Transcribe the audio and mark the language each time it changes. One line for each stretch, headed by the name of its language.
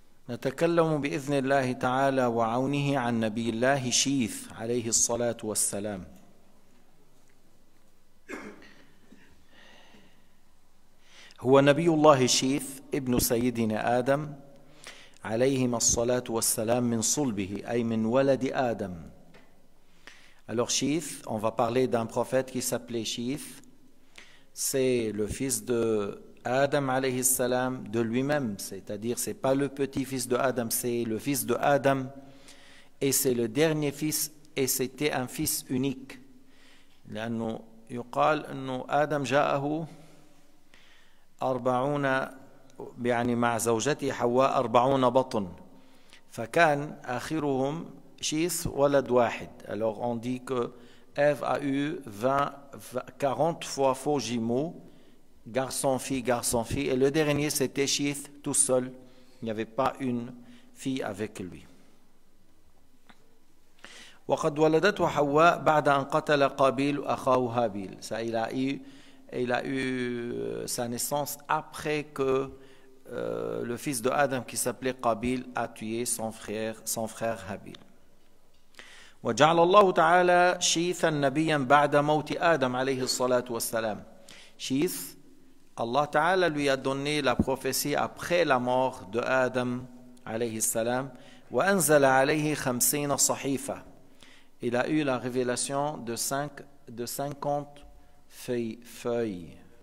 Arabic: نتكلم بإذن الله تعالى وعونه عن نبي الله شيث عليه الصلاة والسلام. هو نبي الله شيث ابن سيدنا آدم عليهما الصلاة والسلام من صلبه أي من ولد آدم.
French: Alors Shith, on va parler d'un prophète qui s'appelait Shith. C'est le fils de Adam alayhi salam de lui-même, c'est-à-dire c'est pas le petit-fils de Adam, c'est le fils de Adam et c'est le dernier fils et c'était un fils unique.
Arabic: لأنه يقال إنه آدم جاءه 40 يعني مع زوجته حواء 40 بطن فكان آخرهم Shith, ولد واحد.
French: Alors on dit que Ève a eu 40 fois faux jumeaux, garçon-fille, et le dernier c'était Shith tout seul, il n'y avait pas une fille avec lui.
Arabic: وقد ولدت حواء بعد أن قتل قابيل أخاه هابيل.
French: Ça il a eu sa naissance après que le fils de Adam qui s'appelait Qabil a tué son frère Habil.
Arabic: وجعل الله تعالى شيثا نبيا بعد موت آدم عليه الصلاة والسلام.
French: شيث
Arabic: الله تعالى
French: lui a donné la prophétie après la mort de Adam
Arabic: عليه السلام وأنزل عليه 50 صحيفة.
French: Il a eu la révélation de 50 feuilles.